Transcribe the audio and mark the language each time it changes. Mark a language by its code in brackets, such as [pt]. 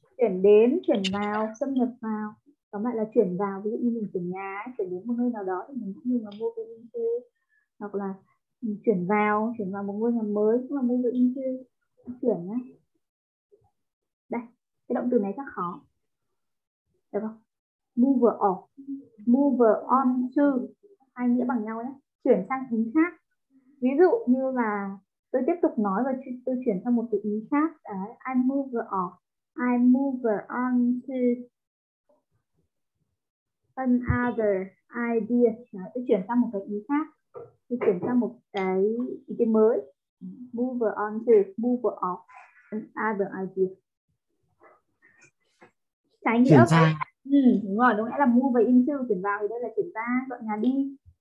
[vi] chuyển đến, chuyển vào, xâm nhập vào. Tóm lại là chuyển vào, ví dụ như mình chuyển nhà, chuyển đến một nơi nào đó thì mình cũng như là [en] move into, [vi] hoặc là chuyển vào một ngôi nhà mới cũng là move into, chuyển nhé. Đây, cái động từ này chắc khó. Được không? [en] Move off, move on to, [vi] hai nghĩa bằng nhau đấy, chuyển sang ý khác. Ví dụ như là tôi tiếp tục nói và tôi chuyển sang một từ ý khác. Đấy, [en] I move off, I move on to another idea. [vi] Đó, tôi chuyển sang một cái ý khác, tôi chuyển sang một cái ý kiến mới. [en] Move on to, move off another idea. [vi] Trái nghĩa chuyển sang đúng rồi, đúng lẽ là move về into, chuyển vào thì đây là chuyển ra, dọn nhà đi.